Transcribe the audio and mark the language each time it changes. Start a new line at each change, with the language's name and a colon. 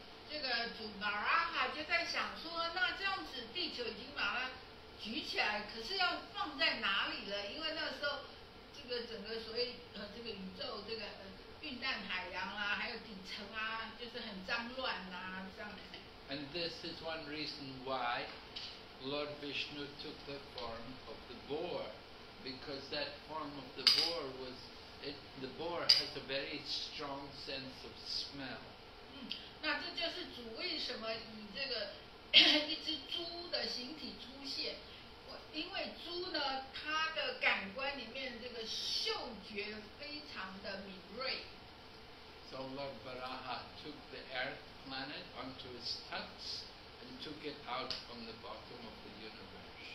Chinese: 这个祖玛拉哈就在想说，那这样子地球已经把它举起来，可是要放在哪里了？因为那时候这个整个所谓这个宇宙这个。云淡海洋啊，还有底层啊，就是很脏乱啊，这样子。
English: And this is one reason why Lord Vishnu took the form of the boar, because that form of the boar was, the boar has a very strong sense of smell.
Chinese: 那这就是主为什么以这个一只猪的形体出现，因为猪呢，它的感官里面这个嗅觉非常的敏锐。
English: So Lord Varaha took the earth planet onto his tusks and took it out from the bottom of the universe.